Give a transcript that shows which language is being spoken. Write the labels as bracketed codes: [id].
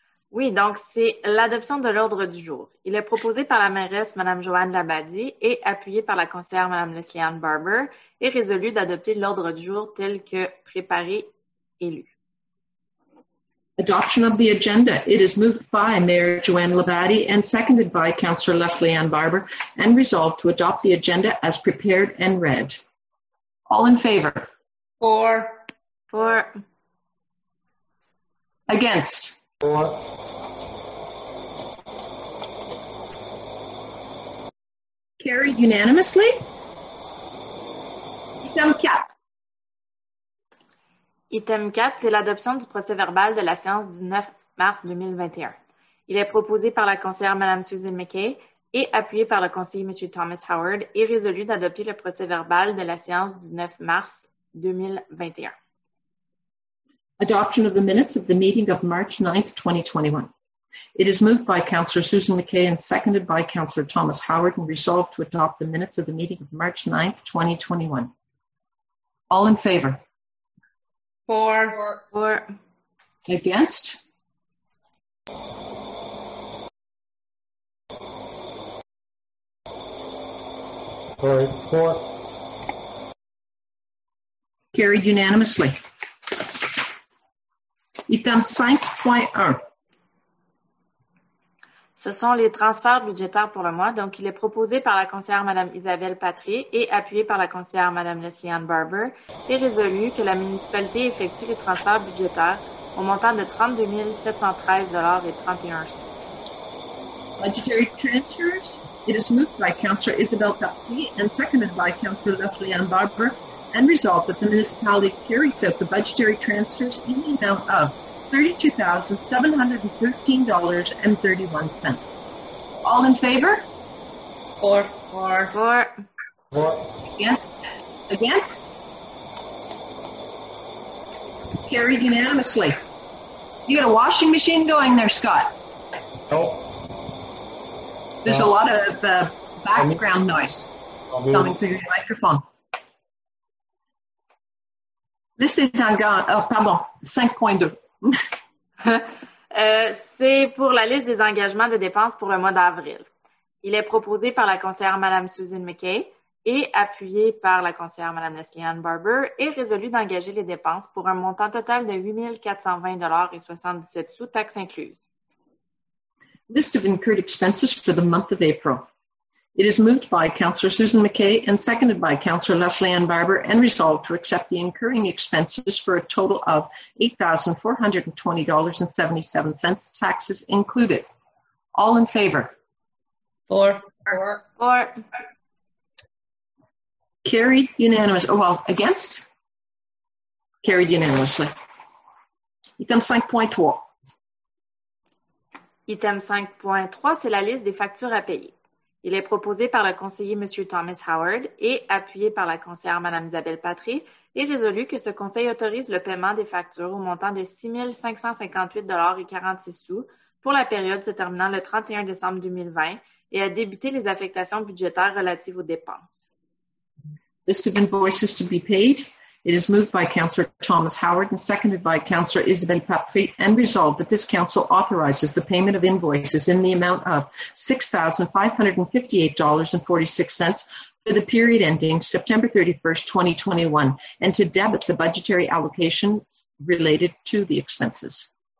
[fr] Oui, donc c'est l'adoption de l'ordre du jour. Il est proposé par la mairesse, Mme Joanne Labadie, et appuyé par la conseillère, Mme Leslie-Anne Barber, et résolu d'adopter l'ordre du jour tel que préparé et lu. [en] Adoption of the agenda. It is moved by Mayor Joanne Labadie and seconded by Councillor Leslie-Anne Barber and resolved to adopt the agenda as prepared and read. All in favor? Four. Four. Against? Four. Carried unanimously? Item 4. [fr] Item 4, c'est l'adoption du procès-verbal de la séance du 9 mars 2021. Il est proposé par la conseillère Mme Susan McKay et appuyé par le conseiller M. Thomas Howard et résolu d'adopter le procès-verbal de la séance du 9 mars 2021. [en] Adoption of the minutes of the meeting of March 9, 2021. It is moved by Councillor Susan McKay and seconded by Councillor Thomas Howard and resolved to adopt the minutes of the meeting of March 9, 2021. All in favor? Four. Against? Four. Carried unanimously. Item 5.1. [fr] Ce sont les transferts budgétaires pour le mois. Donc, il est proposé par la conseillère Mme Isabelle Patry et appuyé par la conseillère Mme Leslie-Anne Barber et résolu que la municipalité effectue les transferts budgétaires au montant de 32 713 $31. [en] Budgetary transfers. It is moved by Councillor Isabelle Patry and seconded by Councillor Leslie-Anne Barber and resolved that the municipality carries out the budgetary transfers in the amount of $32,713.31. All in favor? Four. Against? Carried unanimously. You got a washing machine going there, Scott? Nope. There's a lot of background noise coming through your microphone. Pardon, 5.2. [fr] C'est pour la liste des engagements de dépenses pour le mois d'avril. Il est proposé par la conseillère Mme Susan McKay et appuyé par la conseillère Mme Leslie-Anne Barber et résolu d'engager les dépenses pour un montant total de $8,420.77, taxes incluses. [en] List of incurred expenses for the month of April. It is moved by Councillor Susan McKay and seconded by Councillor Leslie-Anne Barber and resolved to accept the incurring expenses for a total of $8,420.77, taxes included. All in favor? Four. Carried unanimously. Oh, well, against? Carried unanimously. Item 5.3. [fr] Item 5.3, c'est la liste des factures à payer. Il est proposé par le conseiller M. Thomas Howard et appuyé par la conseillère Mme Isabelle Patry et résolu que ce conseil autorise le paiement des factures au montant de $6,558.46 pour la période se terminant le 31 décembre 2020 et a débuté les affectations budgétaires relatives aux dépenses. [en] List of invoices to be paid. It is moved by Councillor Thomas Howard and seconded by Councillor Isabelle Patry and resolved that this council authorizes the payment of invoices in the amount of $6,558.46 for the period ending September 31st, 2021 and to debit the budgetary allocation related to the expenses.